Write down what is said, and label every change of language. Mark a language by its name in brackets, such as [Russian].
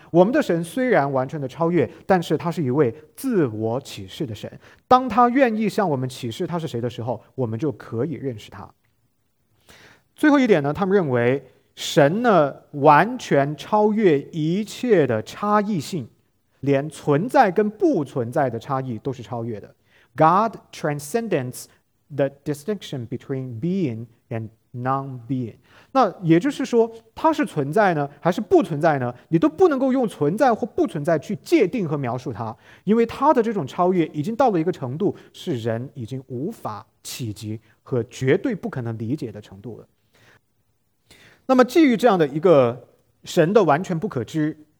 [Chinese] 我们的神虽然完全的超越，但是他是一位自我启示的神，当他愿意向我们启示他是谁的时候，我们就可以认识他。最后一点呢，他们认为神呢完全超越一切的差异性，连存在跟不存在的差异都是超越的。 [English] God transcends the distinction between being and non-being。 [Chinese] 那也就是说它是存在呢还是不存在呢，你都不能够用存在或不存在去界定和描述它，因为它的这种超越已经到了一个程度，是人已经无法企及和绝对不可能理解的程度了。那么基于这样的一个神的完全不可知，